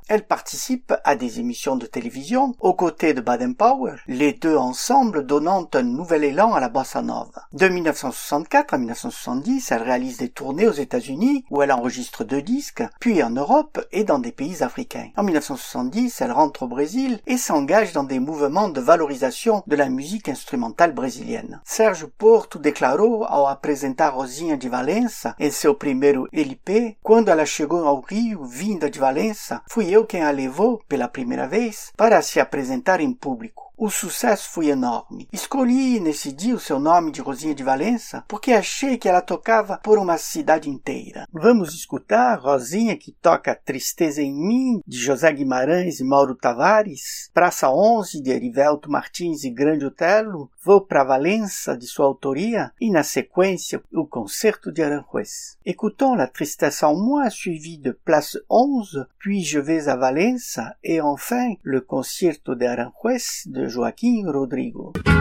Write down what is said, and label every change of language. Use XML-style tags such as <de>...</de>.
<fr>Elle participe à des émissions de télévision aux côtés de Baden Powell, les deux ensemble donnant un nouvel élan à la bossa nova. De 1964 à 1970, elle réalise des tournées aux États-Unis où elle enregistre deux disques, puis en Europe et dans des pays africains. En 1970, elle rentre au Brésil et s'engage dans des mouvements de valorisation de la musique instrumentale brésilienne.</fr> <pt>Sérgio Porto declarou ao apresentar Rosinha de Valença em seu primeiro LP, quando ela chegou ao Rio, vinda de Valença, fui eu quem a levou pela primeira vez para se apresentar em público. O sucesso foi enorme. Escolhi nesse dia o seu nome de Rosinha de Valença porque achei que ela tocava por uma cidade inteira. Vamos escutar Rosinha que toca Tristeza em Mim, de José Guimarães e Mauro Tavares, Praça 11, de Erivelto Martins e Grande Otelo, Vou para Valença, de sua autoria, e na sequência, o Concerto de Aranjuez.</pt> <fr>Écoutons La Tristesse en Moi, suivi de Place 11, Puis Je vais à Valença, et enfin, Le Concerto de Aranjuez, de Joaquim Rodrigo.</fr>